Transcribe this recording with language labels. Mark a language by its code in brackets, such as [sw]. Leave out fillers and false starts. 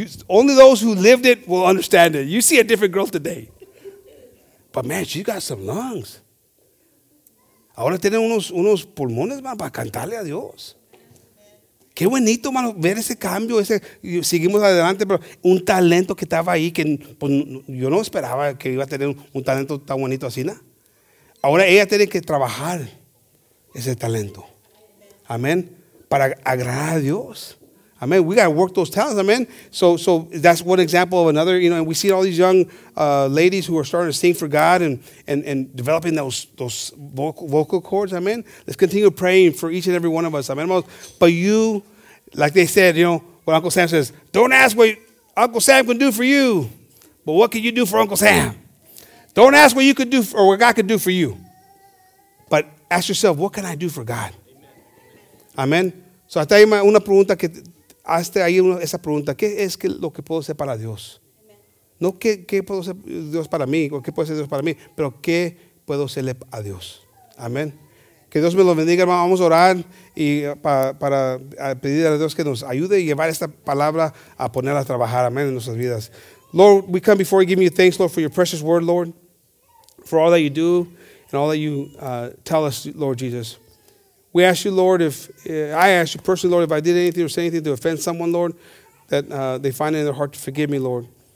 [en] Only those who lived it will understand it. You see a different girl today. But man, she's got some lungs. [es] Ahora tiene unos pulmones, man, para cantarle a Dios. Qué bonito, mano, ver ese cambio, ese seguimos adelante, pero un talento que estaba ahí que pues, yo no esperaba que iba a tener un talento tan bonito así, ¿no? Ahora ella tiene que trabajar ese talento. Amén. Para agradar a Dios. [en] Amén. We got to work those talents, amén. So that's one example of another, you know, and we see all these young ladies who are starting to sing for God and developing those vocal cords, amén. Let's continue praying for each and every one of us, amén. But you, like they said, you know, what Uncle Sam says, don't ask what Uncle Sam can do for you, but what can you do for Uncle Sam? Don't ask what you could do or what God could do for you, but ask yourself, what can I do for God? [es] Amén. So hasta ahí una pregunta que... Hazte ahí esa pregunta, ¿qué es lo que puedo hacer para Dios? No qué puedo hacer Dios para mí, o qué puede hacer Dios para mí, pero ¿qué puedo hacerle a Dios? Amén. Que Dios me lo bendiga, hermano. Vamos a orar y para pedir a Dios que nos ayude y llevar esta palabra a ponerla a trabajar, amén, en nuestras vidas. [en] Lord, we come before you, give you thanks, Lord, for your precious word, Lord, for all that you do and all that you tell us, Lord Jesus. We ask you, Lord, I ask you personally, Lord, if I did anything or say anything to offend someone, Lord, that they find it in their heart to forgive me, Lord.